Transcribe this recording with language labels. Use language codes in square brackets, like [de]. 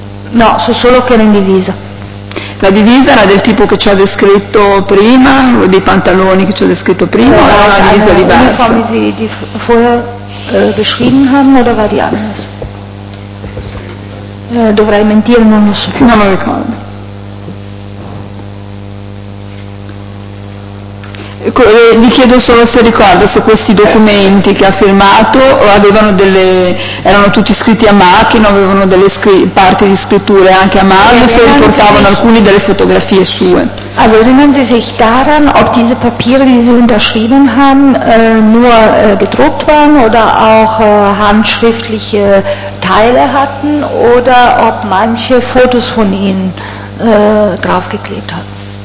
[it] No, so solo che era in divisa. La divisa era del tipo che ci ha descritto prima, dei pantaloni che ci ha descritto prima, o era una divisa diversa? [de] Die Uniform, die Sie vorher beschrieben haben, oder war die anders? [it] Dovrei mentire, non lo so. Non lo ricordo. Gli chiedo solo se ricorda se questi documenti che ha firmato avevano delle, erano tutti scritti a macchina, avevano delle parti di scritture anche a mano, se riportavano alcune delle fotografie sue. [de] Also erinnern Sie sich daran, ob diese Papiere, die Sie unterschrieben haben, nur gedruckt waren oder auch handschriftliche Teile hatten oder ob manche Fotos von Ihnen draufgeklebt hatten?